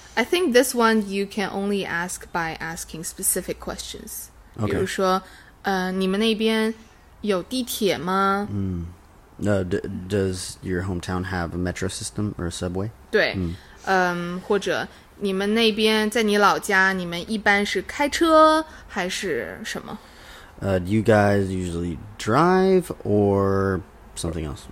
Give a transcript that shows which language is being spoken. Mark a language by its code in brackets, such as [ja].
[en] I think this one you can only ask by asking specific questions. Okay. [zh] 比如说、你们那边有地铁吗、 [en] 嗯 does your hometown have a metro system or a subway? [zh] 对、嗯或者你们那边在你老家你们一般是开车还是什么、 [en] do you guys usually drive or something else?